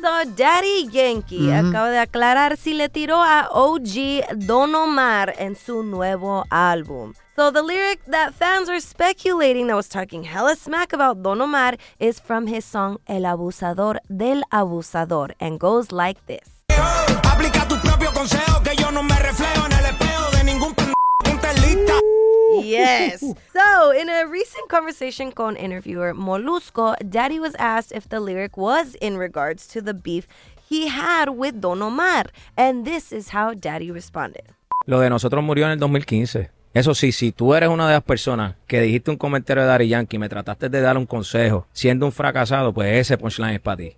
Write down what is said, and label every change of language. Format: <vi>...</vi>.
<es>So, Daddy Yankee acaba de aclarar si le tiró a OG Don Omar en su nuevo álbum.</es> <en>So, the lyric that fans are speculating that was talking hella smack about Don Omar is from his song El Abusador del Abusador and goes like this.</en> <es>Aplica tu propio consejo que yo no me reflejo en el espejo de ningún puntelista.</es> <en>Yes. So, in a recent conversation con interviewer Molusco, Daddy was asked if the lyric was in regards to the beef he had with Don Omar. And this is how Daddy responded.</en> <es>Lo de nosotros murió en el 2015. Eso sí, si tú eres una de las personas que dijiste un comentario de Daddy Yankee y me trataste de dar un consejo siendo un fracasado, pues ese punchline es para ti.</es>